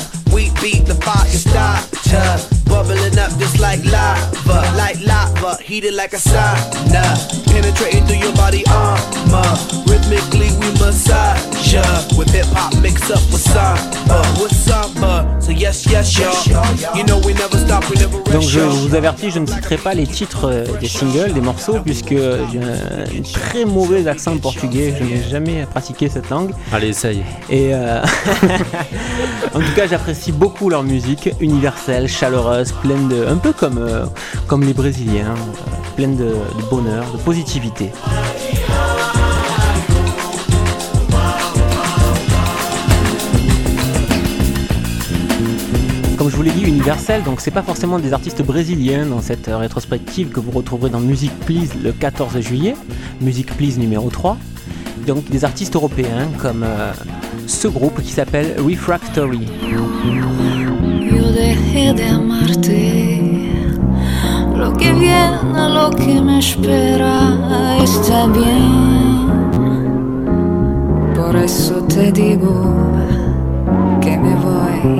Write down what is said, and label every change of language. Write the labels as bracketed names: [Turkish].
[English] We beat the fire starter, bubbling up just like lava, heated like a sauna, penetrating through your body armor, rhythmically we massage ya, with hip hop mix up with samba, so yes, yes, y'all, you know we never stop, we never rest. [French] Donc je vous avertis, je ne citerai pas les titres des singles, des morceaux, puisque j'ai un très mauvais accent portugais, je n'ai jamais pratiqué cette langue. Allez, essaye. Et en tout cas, j'apprécie beaucoup leur musique, universelle, chaleureuse, pleine de... un peu comme, comme les Brésiliens, pleine de bonheur, de positivité. Comme je vous l'ai dit, universel, donc c'est pas forcément des artistes brésiliens dans cette rétrospective que vous retrouverez dans Music Please le 14 juillet, Music Please numéro 3. Donc des artistes européens comme ce groupe qui s'appelle Refractory. [Spanish] Yo dejé de amarte, lo que viene, lo que me espera, está bien. Por eso te digo que me voy.